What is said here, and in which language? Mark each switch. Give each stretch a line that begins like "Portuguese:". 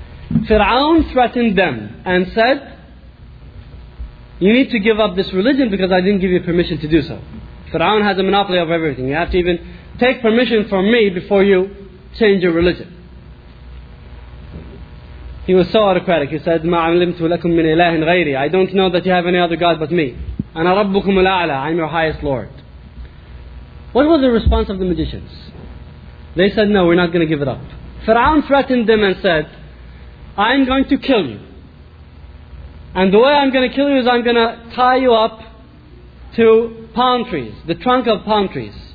English: Fir'aun threatened them and said, you need to give up this religion because I didn't give you permission to do so. Pharaoh has a monopoly of everything. You have to even take permission from me before you change your religion. He was so autocratic. He said,
Arabic: مَا عَلِمْتُ لَكُمْ مِنْ إِلَهٍ غَيْرِي.
English: I don't know that you have any other God but me.
Arabic: أَنَا رَبُّكُمُ الْأَعْلَى.
English: I'm your highest Lord. What was the response of the magicians? They said, no, we're not going to give it up. Pharaoh threatened them and said, I'm going to kill you. And the way I'm going to kill you is I'm going to tie you up to palm trees, the trunk of palm trees.